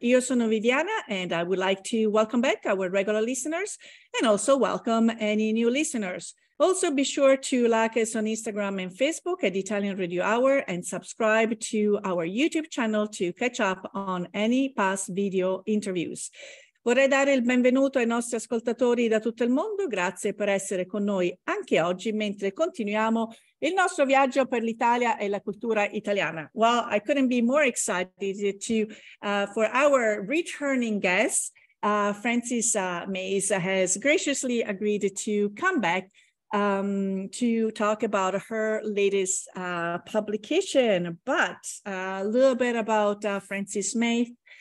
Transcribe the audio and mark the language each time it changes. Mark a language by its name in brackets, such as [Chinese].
[Italian] Io sono [English] Viviana and I would like to welcome back our regular listeners and also welcome any new listeners. Also be sure to like us on Instagram and Facebook at Italian Radio Hour and subscribe to our YouTube channel to catch up on any past video interviews. [Italian] Vorrei dare il benvenuto ai nostri ascoltatori da tutto il mondo. Grazie per essere con noi anche oggi mentre continuiamo il nostro viaggio per l'Italia e la cultura italiana. [English] Well, I couldn't be more excited for our returning guest. Francis Mays has graciously agreed to come back to talk about her latest publication. But a little bit about Francis Mays.